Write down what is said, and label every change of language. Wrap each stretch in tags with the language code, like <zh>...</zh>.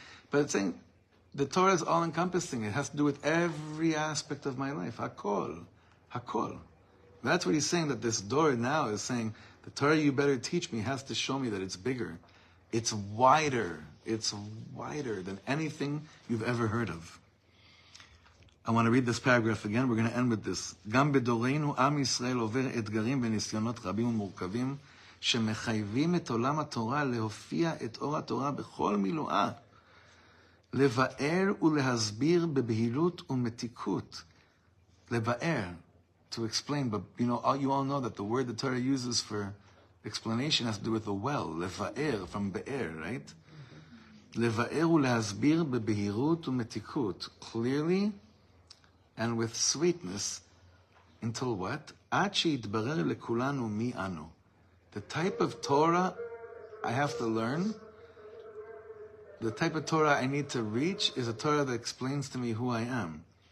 <en>But it's saying the Torah is all-encompassing. It has to do with every aspect of my life. Hakol. Hakol. That's what he's saying, that this door now is saying, the Torah you better teach me has to show me that it's bigger. It's wider. It's wider than anything you've ever heard of. I want to read this paragraph again. We're going to end with this.</en> <he>גם בדורנו עם ישראל עובר אתגרים וניסיונות רבים ומורכבים שמחייבים את עולם התורה להופיע את אור התורה בכל מילואה, לבאר ולהסביר בבהילות ומתיקות. לבאר,</he> <en>to explain, but you know, you all know that the word the Torah uses for explanation has to do with the well, לבאר, from באר, right?</en> <he>לבאר ולהסביר בבהילות ומתיקות.</he> <en>Clearly, and with sweetness, until what?</en> <he>עד שיתברר לכולנו מי אנו.</he> <en>The type of Torah I have to learn, the type of Torah I need to reach, is a Torah that explains to me who I am.</en>